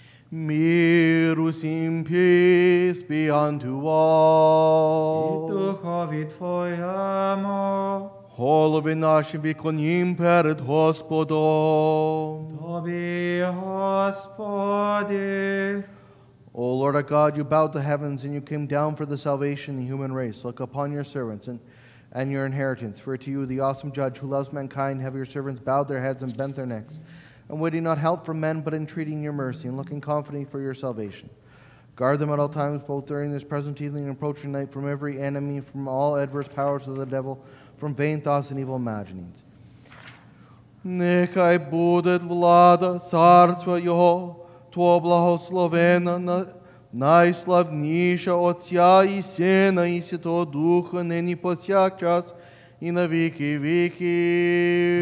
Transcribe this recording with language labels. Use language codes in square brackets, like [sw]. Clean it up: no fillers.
[uk] Мир усім, [en] peace be unto all. [uk] І духові твоєму. Голови наші віконім перед Господом. Тобі, Господи. [en] O Lord our God, you bowed the heavens and you came down for the salvation of the human race. Look upon your servants and your inheritance. For to you, the awesome judge who loves mankind, have your servants bowed their heads and bent their necks, and waiting not help from men, but entreating your mercy, and looking confidently for your salvation. Guard them at all times, both during this present evening and approaching night, from every enemy, from all adverse powers of the devil, from vain thoughts and evil imaginings. [uk] Нехай буде влада царства Його, Твого благословена Найславніша Отця і Сина і Святого Духа, нині повсякчас і на віки віки.